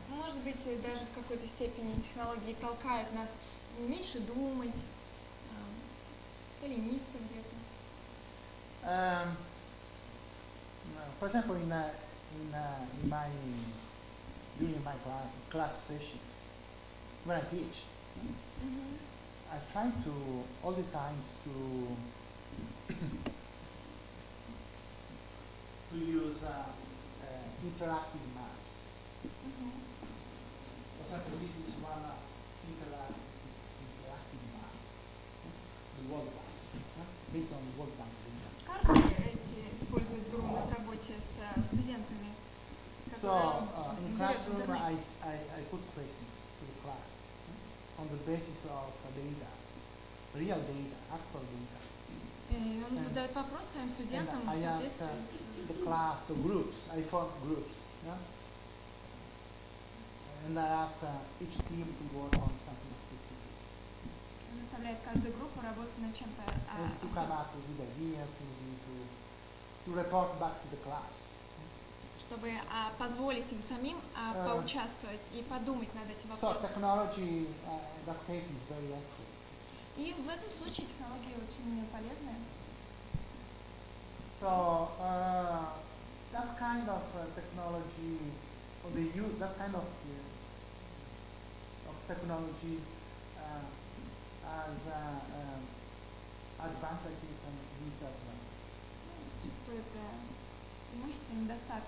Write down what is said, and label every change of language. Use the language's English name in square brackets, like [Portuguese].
[Russian] Может быть, даже в какой-то степени технологии толкают нас меньше думать, полениться где-то. [English] For example, during my class sessions, when I teach, I try to all the times to. use interactive maps. For example, this is one interactive map. The World Bank. Based on World Bank. [Russian] Карты эти используют в работе с студентами. [English] So, in classroom, I put questions to the class on the basis of data, real data, actual data. [Russian] И он задает вопрос своим студентам в соответствии [English] с... The class, groups, I form groups, yeah? And I ask each team to work on something specific. [Russian] Он заставляет каждую группу работать над чем-то особенным. [English] To come up with ideas, maybe to report back to the class. [Russian] Что чтобы позволить им самим поучаствовать и подумать над этим вопросом. [English] So technology that case is very helpful. [Russian] И в этом случае технология очень полезная. [English] So that kind of technology or the use that kind of technology as advantages and disadvantages.